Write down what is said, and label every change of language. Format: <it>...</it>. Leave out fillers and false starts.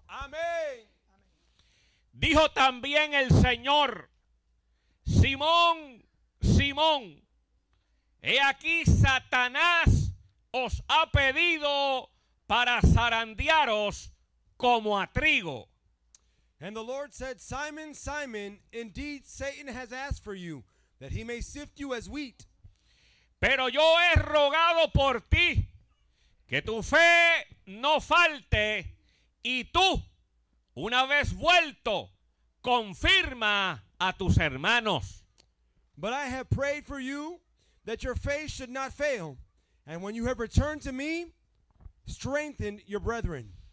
<es>Amén. Dijo también el Señor, Simón, Simón, he aquí Satanás os ha pedido para zarandearos como a trigo.</es> <en>And the Lord said, Simon, Simon, indeed Satan has asked for you, that he may sift you as wheat.</en> <es>Pero yo he rogado por ti, que tu fe no falte, y tú, una vez vuelto, confirma a tus hermanos.</es> <en>But I have prayed for you, that your faith should not fail, and when you have returned to me, strengthen your brethren.</en>